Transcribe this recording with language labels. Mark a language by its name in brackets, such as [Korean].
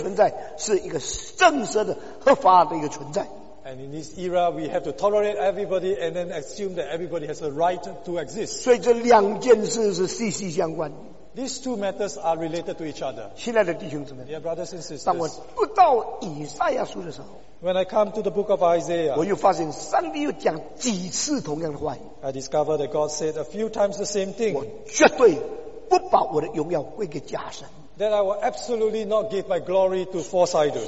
[Chinese] 我们只有这个相对的中间彼此容忍彼此接待彼此尊重彼此承认别人存在是一个正式的合法的一个存在。 [English] And in this era, we have to tolerate everybody and then assume that everybody has a right to exist. [Chinese] 所以这两件事是息息相关。 [English] These two matters are related to each other. [Chinese] 亲爱的弟兄姊妹, [English] dear brothers and sisters, [Chinese] 当我读到以赛亚书的时候, [English] when I come to the book of Isaiah, I discover that God said a few times the same thing, that I will absolutely not give my glory to false idols.